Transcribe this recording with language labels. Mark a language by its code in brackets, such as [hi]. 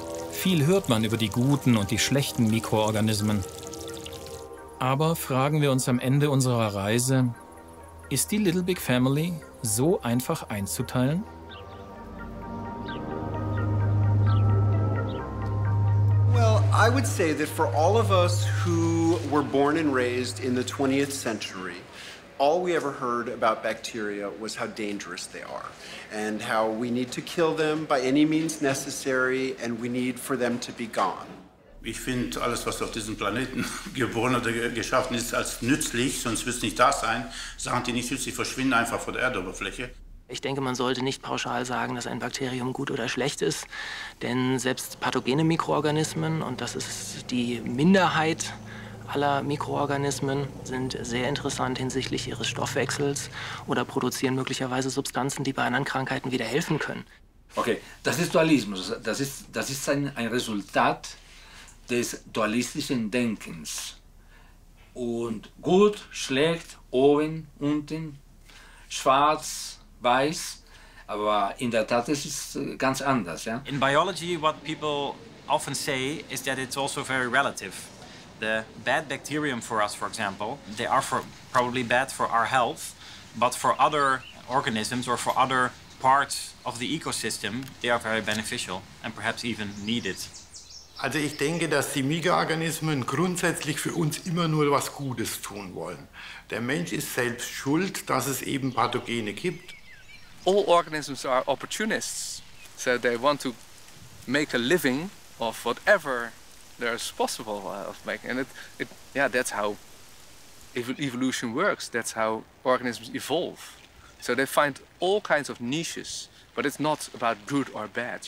[de] Viel hört man über die guten und die schlechten Mikroorganismen. Aber fragen wir uns am Ende unserer Reise, ist die Little Big Family so einfach einzuteilen? [en] Well, I would say that for all of us who were born and raised in the 20th century, all we ever heard about bacteria was how dangerous they are and how we need to kill them by any means necessary and we need for them to be gone. [de] Ich finde alles, was auf diesem Planeten geboren oder geschaffen ist, als nützlich, sonst wird es nicht da sein. Sachen, die nicht nützlich, verschwinden einfach von der Erdoberfläche. Ich denke, man sollte nicht pauschal sagen, dass ein Bakterium gut oder schlecht ist, denn selbst pathogene Mikroorganismen, und das ist die Minderheit aller Mikroorganismen, sind sehr interessant hinsichtlich ihres Stoffwechsels oder produzieren möglicherweise Substanzen, die bei anderen Krankheiten wieder helfen können. Okay, das ist Dualismus. Das ist ein Resultat des dualistischen Denkens. Und gut, schlecht, oben, unten, schwarz, weiß. Aber in der Tat, das ist ganz anders. Ja? [en] In biology, what people often say, is that it's also very relative. The bad bacterium for us, for example, they are probably bad for our health, but for other organisms or for other parts of the ecosystem, they are very beneficial and perhaps even needed. [de] Also ich denke, dass die Mikroorganismen grundsätzlich für uns immer nur was Gutes tun wollen. Der Mensch ist selbst schuld, dass es eben Pathogene gibt. [en] All organisms are opportunists, so they want to make a living of whatever there's possible of making, and it that's how evolution works. That's how organisms evolve. So they find all kinds of niches, but it's not about good or bad.